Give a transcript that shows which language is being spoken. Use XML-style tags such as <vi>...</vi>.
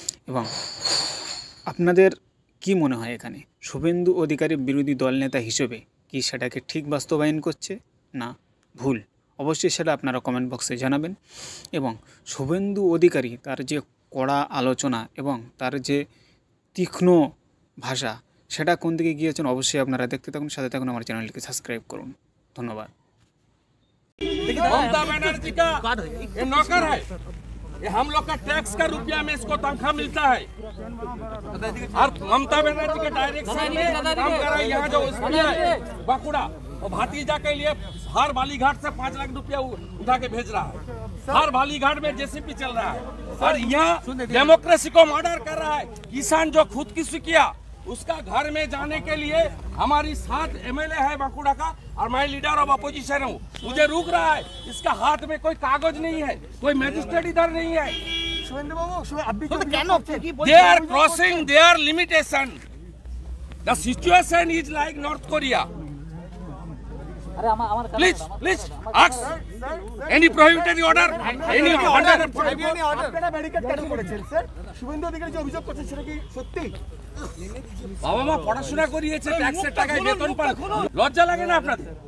<bn>এবং আপনাদের কি মনে হয় এখানে শুভেন্দু অধিকারী বিরোধী দল নেতা হিসেবে কি সেটাকে ঠিক বাস্তবায়ন করছে না ভুল, অবশ্যই সেটা আপনারা কমেন্ট বক্সে জানাবেন। এবং শুভেন্দু অধিকারী তার যে কড়া আলোচনা এবং তার যে তীক্ষ্ণ ভাষা সেটা কোন দিকে গিয়েছেন অবশ্যই আপনারা দেখতে থাকুন, সাথে থাকুন আমার চ্যানেলকে সাবস্ক্রাইব করুন। ধন্যবাদ।</bn> <hi>ममता बनर्जी का ये नौकर है, ये हम लोग का टैक्स का रुपया में इसको तनख्वाह मिलता है, और ममता बनर्जी के डायरेक्शन में काम कर रहा है यहाँ जो है बांकुड़ा, और भातीजा के लिए हर बालीघाट से 5 लाख रुपया उठा के भेज रहा है, हर बालीघाट में जेसीपी चल रहा है, और यहाँ डेमोक्रेसी को मर्डर कर रहा है। किसान जो खुदकुशी किया उसका घर में जाने के लिए हमारी 7 MLA है बांकुड़ा का, और मैं लीडर ऑफ अपोजिशन हूँ, मुझे रुक रहा है, इसका हाथ में कोई कागज नहीं है, कोई मजिस्ट्रेट इधर नहीं है।</hi> <en>They are crossing they are limitation, the situation is like north Korea. Please please आक्स any prohibited order any order</en> <bn>বাবা মা পড়াশোনা করিয়েছে ট্যাক্সের টাকায় বেতন পান, লজ্জা লাগে না আপনাদের?</bn>